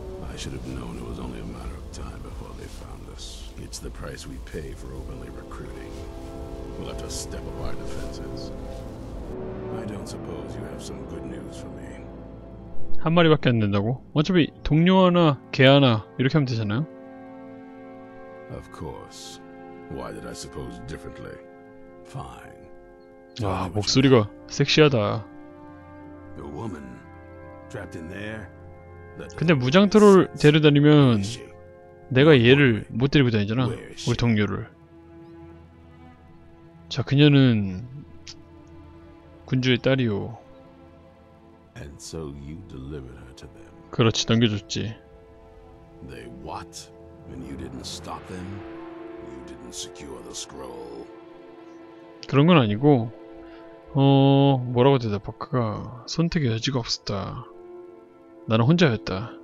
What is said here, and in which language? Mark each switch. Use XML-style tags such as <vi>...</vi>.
<en>I should have known it was only a matter of time before they found us. It's the price we pay for openly recruiting. We'll have to step up our defenses. I don't suppose you have some good news for me.</en> <ko>한 마리밖에 안 된다고? 어차피 동료 하나, 개 하나 이렇게 하면 되잖아요.</ko> <en>Of course. Why did I suppose differently? Fine.</en> <ko>와, 목소리가 섹시하다.</ko> <en>The woman trapped in there.</en> <ko>근데 무장 트롤 데려다니면 내가 얘를 못 데리고 다니잖아. 우리 동료를. 자, 그녀는 군주의 딸이요.</ko> <en>And so you delivered her to them.</en> <ko>그렇지, 넘겨줬지.</ko> <en>They what? When you didn't stop them, you didn't secure the scroll.</en> <ko>그런 건 아니고. 뭐라고 대답할까? 선택의 여지가 없었다. 나는 혼자였다.</ko>